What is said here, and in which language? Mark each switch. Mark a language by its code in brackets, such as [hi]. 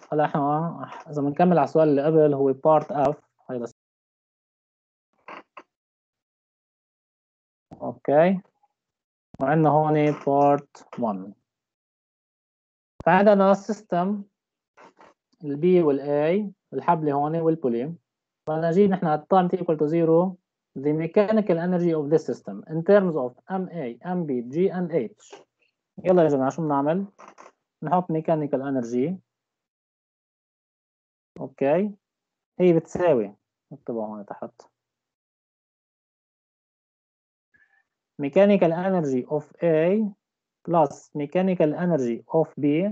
[ar] هلا احنا اذا بنكمل على السؤال اللي قبل هو part F. هيدا اوكي وعندنا هون part 1. فعندنا system ال B وال A الحبل هون والبولي. فانا جيب نحن [en] at time t equal to 0 the mechanical energy of this system in terms of M A M B G and H. [ar] يلا يا جماعة شو بنعمل؟ نحط ميكانيكال انرجي اوكي هي بتساوي اكتبها هون تحت ميكانيكال انرجي اوف A بلس ميكانيكال انرجي اوف B.